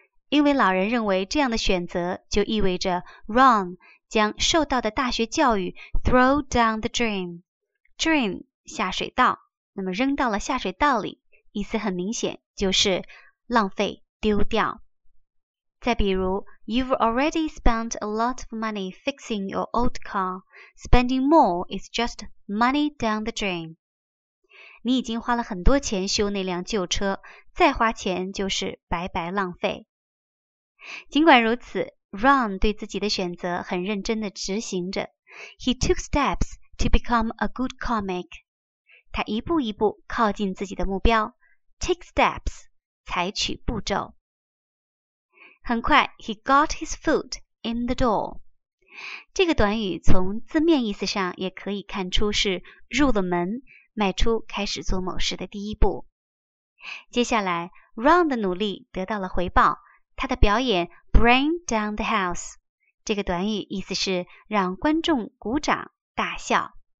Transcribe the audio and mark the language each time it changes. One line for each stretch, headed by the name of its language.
Chinese: 因为老人认为这样的选择就意味着 Ron 将受到的大学教育
English: throw down the drain,
Chinese: drain 下水道，那么扔到了下水道里，意思很明显，就是浪费、丢掉。
English: 再比如 You've already spent a lot of money fixing your old car. Spending more is just money down the drain.
Chinese: 你已经花了很多钱修那辆旧车，再花钱就是白白浪费。尽管如此， Ron 对自己的选择很认真地执行着。
English: He took steps to become a good comic.
Chinese: 他一步一步靠近自己的目标。 Take steps, 采取步骤。
English: 很快 ,he got his foot in the door.
Chinese: 这个短语从字面意思上也可以看出是入了门，迈出开始做某事的第一步。接下来 ,Ron 的努力得到了回报，他的表演
English: bring down the house.
Chinese: 这个短语意思是让观众鼓掌大笑。